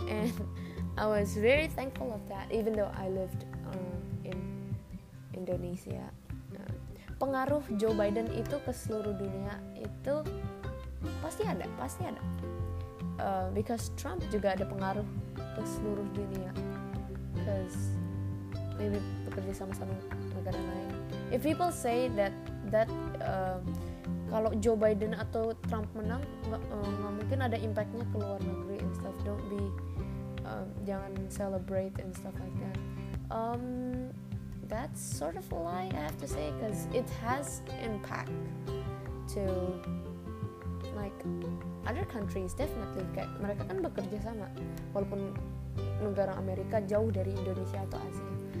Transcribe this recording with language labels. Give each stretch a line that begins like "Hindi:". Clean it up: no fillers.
English: And I was very thankful of that, even though I lived in Indonesia.
Indonesian: Pengaruh Joe Biden itu ke seluruh dunia itu pasti ada.
English: Because
Indonesian: Trump juga ada pengaruh ke seluruh dunia.
English: Because maybe
Indonesian: bekerja sama-sama negara lain.
English: If people say that
Indonesian: kalau Joe Biden atau Trump menang, nggak mungkin ada impact-nya ke luar negeri
English: and stuff. Don't be,
Indonesian: jangan
English: celebrate and stuff like that. That's sort of a lie, I have to say, because it has impact to like other countries, definitely.
Indonesian: Kayak mereka kan bekerja sama, walaupun negara Amerika jauh dari Indonesia atau Asia.